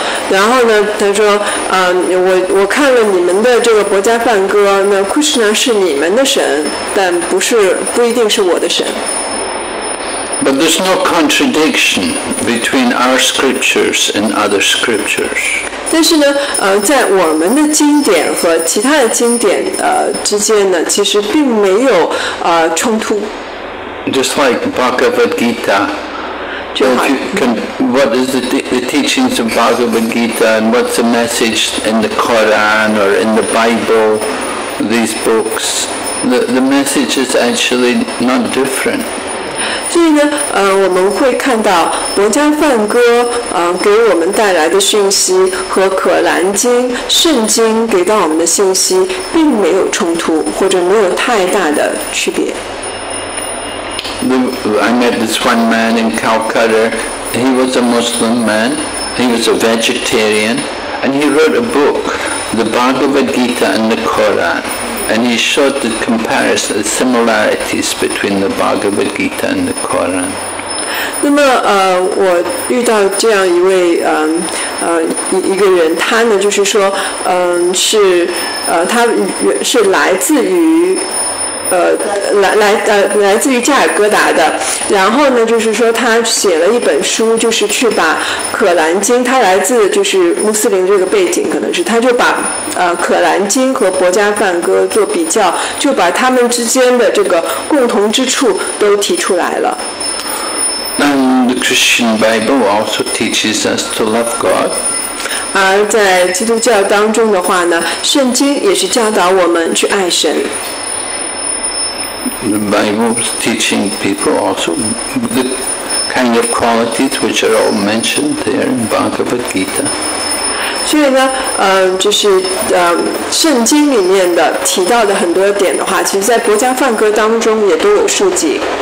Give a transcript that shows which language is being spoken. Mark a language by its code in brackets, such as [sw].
[zh] 然后呢，他说我看了你们的这个博迦梵歌，那 Krishna 是你们的神，但不一定是我的神。 [en] But there's no contradiction between our scriptures and other scriptures. [zh] 但是呢，在我们的经典和其他的经典之间呢，其实并没有冲突。 [en] Just like Bhagavad Gita. What is the teachings of Bhagavad Gita and what's the message in the Quran or in the Bible, these books? the message is actually not different. [zh] 所以呢，我们会看到《摩迦梵歌》给我们带来的讯息和《可兰经》圣经给到我们的信息并没有冲突，或者没有太大的区别。 [en] I met this one man in Calcutta. He was a Muslim man. He was a vegetarian, and he wrote a book, the Bhagavad Gita and the Quran. And he showed the comparison, the similarities between the Bhagavad Gita and the Quran. [zh] 那么，我遇到这样一位，一个人，他呢，就是说，是，他是来自于，来自于加尔各答的。然后呢，就是说，他写了一本书，就是去把《可兰经》，他来自就是穆斯林这个背景，可能是他就把。可兰经和博加梵歌做比较，就把他们之间的这个共同之处都提出来了。 [en] And the Christian Bible also teaches us to love God. [zh] 而在基督教当中的话呢，圣经也是教导我们去爱神。 [en] The Bible is teaching people also the kind of qualities which are all mentioned there in Bhagavad Gita. [zh] 所以呢，就是圣经里面的提到的很多点的话，其实在《博迦梵歌》当中也都有涉及。